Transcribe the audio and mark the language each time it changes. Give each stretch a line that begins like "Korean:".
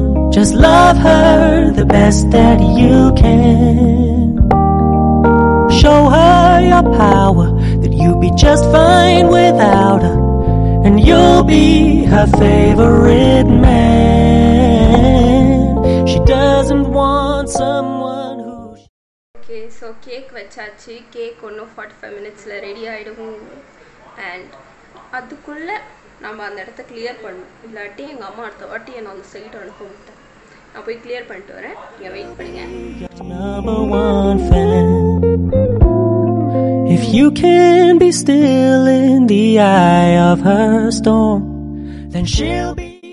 English: Just love her the best that you can. Show her your power, that you'd be just fine without her, and you'll be her favorite man. She doesn't want someone who...
Tamil: Okay, so cake vachachi, cake onno 45 minutes la ready aayidum, and adukulla நம்ம அந்த இடத்த clear பண்ணணும், இல்லாட்டி எங்கள் அம்மா அடுத்த வாட்டி என்னை அந்த சைட் அனுப்ப விட்டேன். நான் போய் கிளியர் பண்ணிட்டு வரேன், நீங்கள் வெயிட் பண்ணுங்க.
English: If you can be still in the eye of her storm, then she'll be...